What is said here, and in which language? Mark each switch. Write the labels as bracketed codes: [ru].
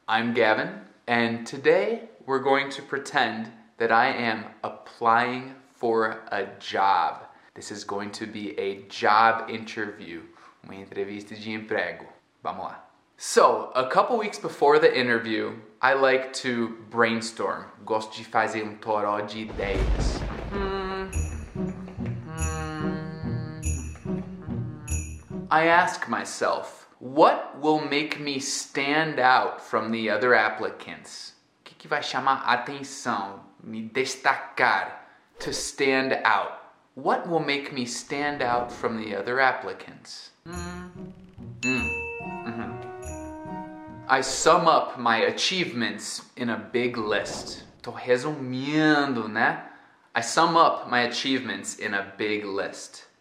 [en] I'm Gavin, and today we're going to pretend that I am applying for a job. This is going to be a job interview. [pt] Uma entrevista de emprego. Vamos lá. [en] So, a couple weeks before the interview, I like to brainstorm. [pt] Gosto de fazer toró de ideias. [en] I ask myself, what will make me stand out from the other applicants? [pt] O que vai chamar atenção? Me destacar. [en] To stand out. What will make me stand out from the other applicants? I sum up my achievements in a big list. [pt] Tô resumindo, né? [en] I sum up my achievements in a big list.